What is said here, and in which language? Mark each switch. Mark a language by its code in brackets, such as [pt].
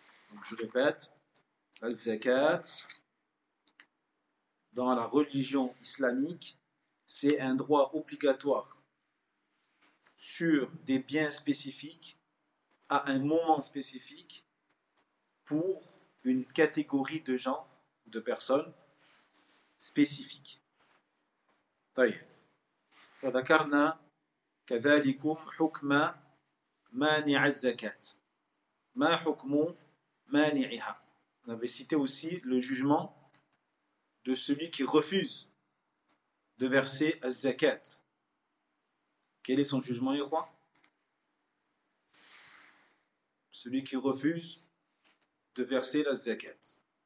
[fr] Donc je répète, la zakat, dans la religion islamique, c'est un droit obligatoire sur des biens spécifiques à un moment spécifique pour une catégorie de gens, de personnes spécifiques. [ar] طيب، فذكرنا كذلكم حكم مانع الزكاة. ما حكم مانعها؟ [fr] On avait cité aussi le jugement de celui qui refuse de verser الزكاة. Quel est son jugement, [ar] يا إخوان؟ [fr] Celui qui refuse de verser الزكاة.